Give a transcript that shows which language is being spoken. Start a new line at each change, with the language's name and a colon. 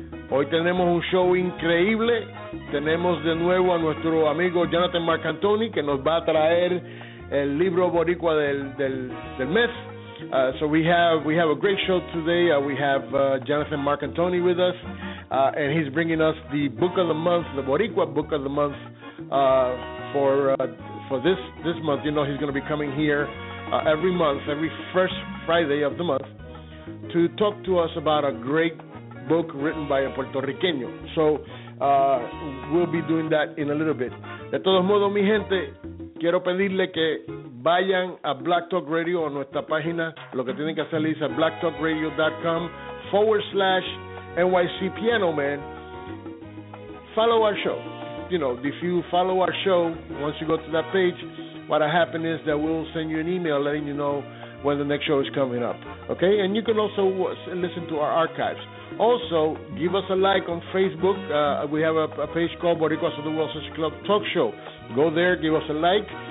Spanish: Hoy tenemos un show increíble. Tenemos de nuevo a nuestro amigo Jonathan Marcantoni, que nos va a traer el libro Boricua del mes.
English: So we have a great show today. We have Jonathan Marcantoni with us, and he's bringing us the Book of the Month, the Boricua Book of the Month, for this month. You know, he's going to be coming here every month, every first Friday of the month, to talk to us about a great book written by a Puerto Riqueño. So we'll be doing that in a little bit.
Spanish: De todos modos, mi gente, quiero pedirle que vayan a Black Talk Radio, a nuestra página. Lo que tienen que hacer es a blacktalkradio.com/NYC Piano Man.
English: Follow our show. You know, if you follow our show, once you go to that page, what will happen is that we'll send you an email letting you know when the next show is coming up. Okay? And you can also listen to our archives. Also, give us a like on Facebook. We have a page called Boricuas of the World Social Club Talk Show. Go there, give us a like.